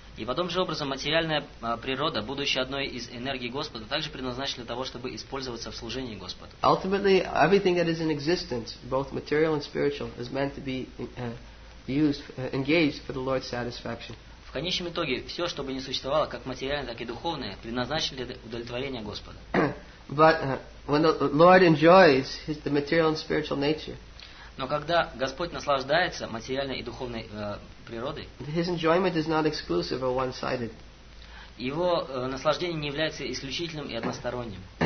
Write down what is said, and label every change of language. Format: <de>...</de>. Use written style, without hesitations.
<ru>И потом же образом материальная природа, будучи одной из энергий Господа, также предназначена для того, чтобы использоваться в служении Господу.</ru> <en>Ultimately, everything that is in existence, both material and spiritual, is meant to be engaged for the Lord's satisfaction.</en> <ru>В конечном итоге, все, что бы ни существовало, как материальное, так и духовное, предназначено для удовлетворения Господа.</ru> <en>But when the Lord enjoys the material and spiritual nature,</en> <ru>но когда Господь наслаждается материальной и духовной природой,</ru> <en>His enjoyment is not exclusive or one-sided.</en> <ru>Его наслаждение не является исключительным и односторонним.</ru>